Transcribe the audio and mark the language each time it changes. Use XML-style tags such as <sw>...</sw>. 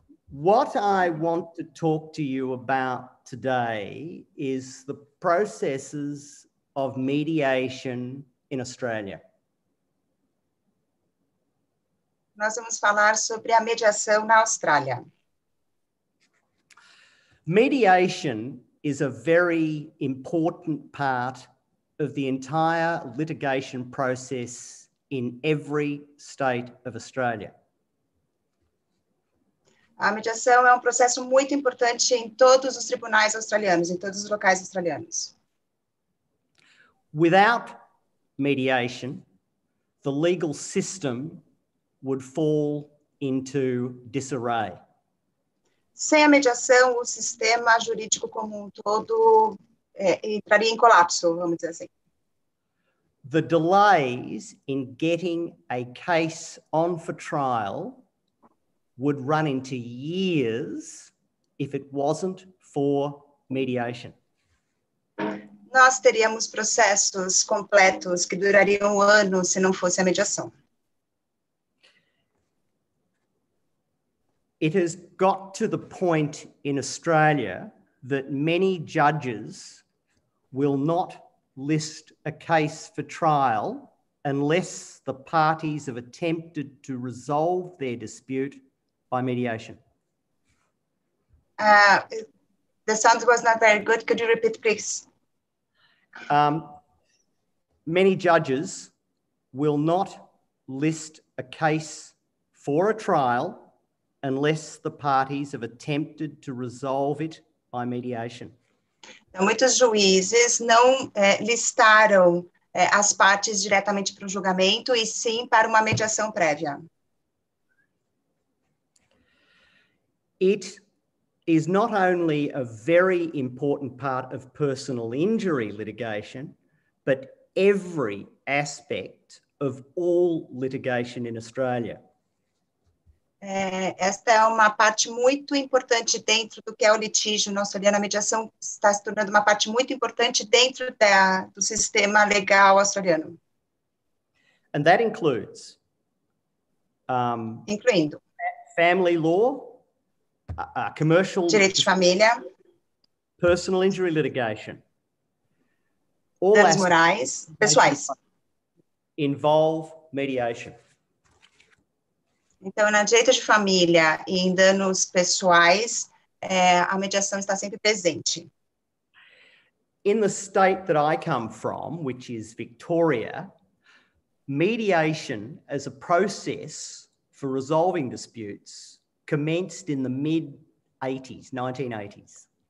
<en>What I want to talk to you about today is the processes of mediation in Australia.</en> <pt>Nós vamos falar sobre a mediação na Austrália.</pt> <en>Mediation is a very important part of the entire litigation process in every state of Australia.</en> <pt>A mediação é um processo muito importante em todos os tribunais australianos, em todos os locais australianos.</pt> <en>Without mediation, the legal system would fall into disarray.</en> <pt>Sem a mediação, o sistema jurídico como um todo entraria em colapso, vamos dizer assim.</pt> <en>The delays in getting a case on for trial would run into years if it wasn't for mediation.</en> <pt>Nós teríamos processos completos que durariam anos se não fosse a mediação.</pt> <en>It has got to the point in Australia that many judges will not list a case for trial unless the parties have attempted to resolve their dispute by mediation. The sound was not very good. Could you repeat, please? Many judges will not list a case for a trial unless the parties have attempted to resolve it by mediation.</en> <pt>Então, muitos juízes não listaram as partes diretamente para o julgamento, e sim para uma mediação prévia.</pt> <en>It is not only a very important part of personal injury litigation, but every aspect of all litigation in Australia.</en> <pt>Esta é uma parte muito importante dentro do que é o litígio na Austrália. A mediação está se tornando uma parte muito importante dentro do sistema legal australiano.</pt> <en>And that includes,</en> <pt>incluindo</pt> <en>family law, commercial</en> <pt>direito de família,</pt> <en>personal injury litigation,</en> <pt>danos morais, pessoais,</pt> <en>involve mediation.</en> <pt>Então, na direito de família e em danos pessoais, a mediação está sempre presente.</pt> <en>In the state that I come from, which is Victoria, mediation as a process for resolving disputes commenced in the mid-80s, 1980s.</en>